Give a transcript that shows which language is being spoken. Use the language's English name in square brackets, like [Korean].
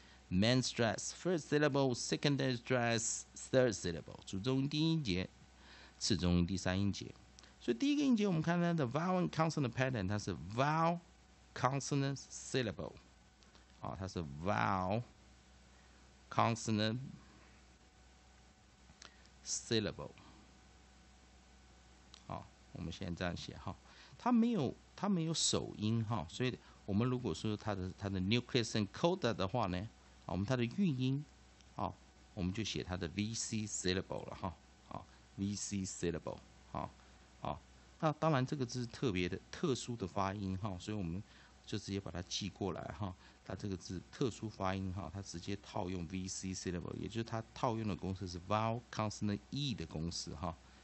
[English] Main stress, first syllable, secondary stress, third syllable. [Chinese] 主中音第一节，次中音第三音节。所以第一个音节我们看它的 [English] vowel and consonant pattern， [Chinese] 它是 [English] vowel, consonant, syllable.、 [Chinese] 哦、它是 vowel, consonant, syllable. 我们现在这样写哈，它没有首音哈，所以我们如果说它的 [English] nucleus and coda [Chinese] 的话呢，我们它的韵音啊，我们就写它的 vc syllable 了哈，啊 vc syllable 啊啊，那当然这个字是特别的特殊的发音哈，所以我们就直接把它记过来哈，它这个字特殊发音哈，它直接套用 vc syllable， 也就是它套用的公式是 [English] vowel consonant e [Chinese] 的公式哈。